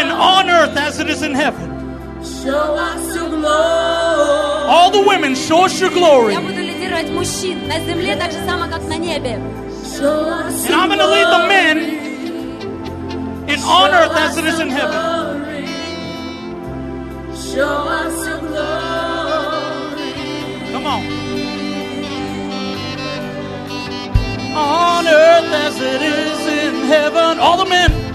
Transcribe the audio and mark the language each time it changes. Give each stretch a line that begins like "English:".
English: In on earth as it is in heaven. Show us your glory. All the women, show us your glory.
Russian: Я буду лидировать мужчин на земле так же само, как на небе.
English: And I'm going to lead the men in on earth as it is in heaven. Show us your glory. Come on. On earth as it is in heaven. All the men.